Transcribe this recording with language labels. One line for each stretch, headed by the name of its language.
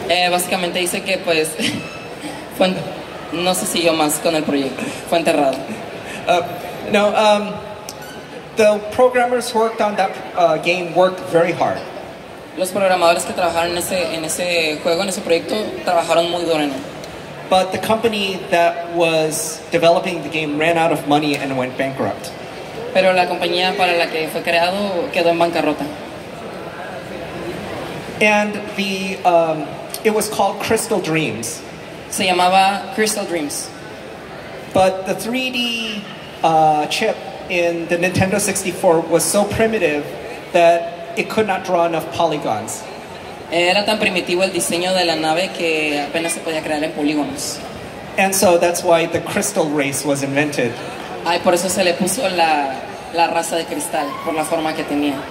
Spanish: Básicamente dice que pues fue, no se siguió más con el proyecto, fue enterrado.
English: The programmers who worked on that game worked very hard.
Spanish: Los programadores que trabajaron en ese juego, en ese proyecto, trabajaron muy duro en él.
English: But the company that was developing the game ran out of money and went bankrupt.
Spanish: Pero la compañía para la que fue creado quedó en bancarrota.
English: And the it was called Crystal Dreams.
Spanish: Se llamaba Crystal Dreams.
English: But the 3D chip in the Nintendo 64 was so primitive that it could not draw enough polygons.
Spanish: Era tan primitivo el diseño de la nave que apenas se podía crear en polígonos.
English: And so that's why the crystal race was invented.
Spanish: Ay, por eso se le puso la raza de cristal, por la forma que tenía.